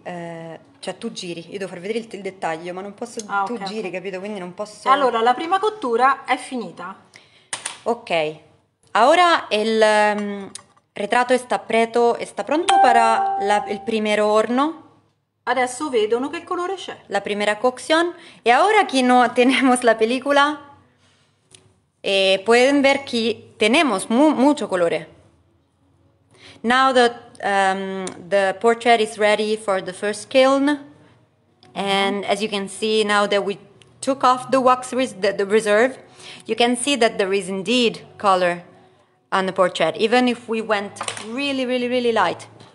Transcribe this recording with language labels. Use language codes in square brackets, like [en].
[it] cioè tu giri, io devo far vedere il dettaglio, ma non posso... Ah, okay, tu giri, okay. Capito? Quindi non posso... Allora, la prima cottura è finita. Ok. Ora il ritratto sta pronto per il primo orno. Adesso vedono che colore c'è. [es] La prima cocción. [it] E ora che [es] no tenemos la película, pueden ver que tenemos mucho colore. [en] Now that the portrait is ready for the first kiln, and as you can see, now that we took off the wax the reserve, you can see that there is indeed color on the portrait, even if we went really, really, really light.